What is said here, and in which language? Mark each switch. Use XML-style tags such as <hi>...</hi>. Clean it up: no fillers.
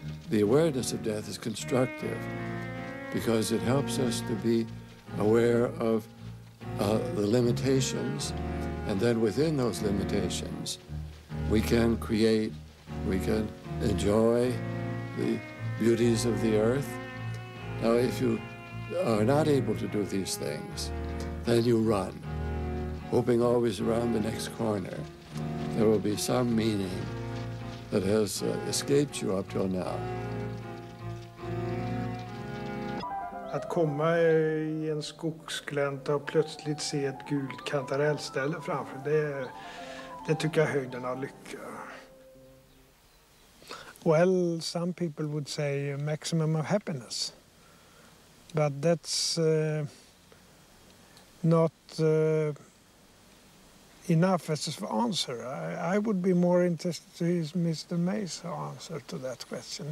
<en>The awareness of death is constructive because it helps us to be aware of the limitations, and then within those limitations, we can create, we can enjoy the beauties of the earth. Now, if you are not able to do these things, then you run, hoping always around the next corner there will be some meaning that has escaped you up till now.</en> <sv>Att komma i en skogsglänta och plötsligt se ett gult kantarellställe framför, det tycker jag höjden av lycka.</sv> <en>Well, some people would say maximum of happiness. But that's not enough as an answer. I would be more interested to his Mr. May's answer to that question.</en>